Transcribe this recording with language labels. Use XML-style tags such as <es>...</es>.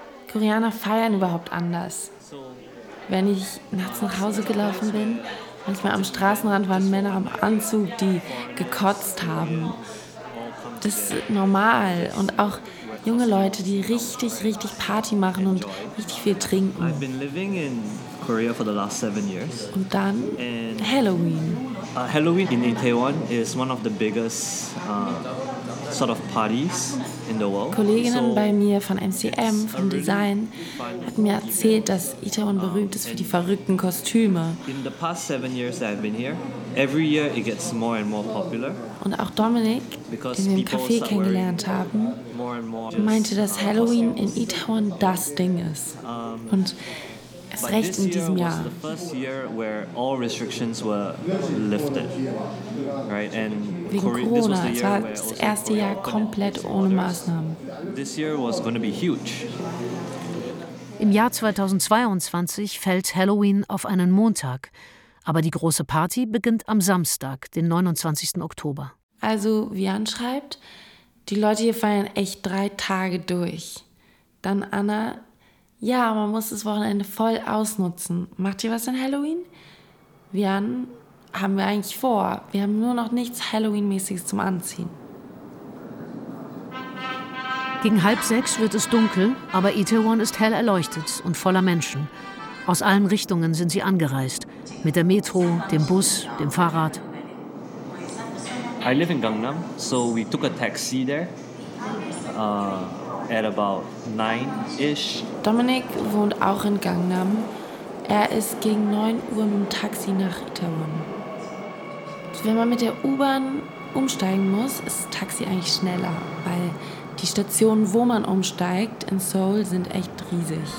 <de>Koreaner feiern überhaupt anders. Wenn ich nachts nach Hause gelaufen bin, manchmal am Straßenrand waren Männer im Anzug, die gekotzt haben. Das ist normal. Und auch junge Leute, die richtig, richtig Party machen und richtig viel trinken.</de> <en>I've been living in Korea for the last 7 years.</en> <de>Und dann Halloween.</de> <en>Halloween in Itaewon is one of the biggest sort of parties in the world.</en> <de>Kolleginnen bei mir von MCM, vom Design, hatten mir erzählt, dass Itaewon berühmt ist für die verrückten Kostüme.</de> <en>In the past 7 years that I've been here, every year it gets more and more popular.</en> <de>Und auch Dominik, den wir im Café kennengelernt haben, meinte, dass Halloween in Itaewon das Ding ist. Und erst recht in diesem Jahr.</de> <en>This year was the first year where all restrictions were lifted, right?</en> <de>And wegen Corona, es war das erste Jahr komplett ohne Maßnahmen.</de> <en>This year was going to be huge.</en> <de>Im Jahr 2022 fällt Halloween auf einen Montag, Aber die große Party beginnt am Samstag, den 29. Oktober. Also, wie Jan schreibt, die Leute hier feiern echt 3 Tage durch. Dann Anna, ja, man muss das Wochenende voll ausnutzen. Macht ihr was an Halloween? Jan, haben wir eigentlich vor. Wir haben nur noch nichts Halloween-mäßiges zum Anziehen. Gegen 5:30 wird es dunkel, aber Itaewon ist hell erleuchtet und voller Menschen. Aus allen Richtungen sind sie angereist. Mit der Metro, dem Bus, dem Fahrrad.</de> <en>I live in Gangnam, so we took a taxi there at about 9-ish.</en> <de>Dominik wohnt auch in Gangnam. Er ist gegen 9 Uhr mit dem Taxi nach Itaewon. Wenn man mit der U-Bahn umsteigen muss, ist das Taxi eigentlich schneller, weil die Stationen, wo man umsteigt in Seoul, sind echt riesig.</de>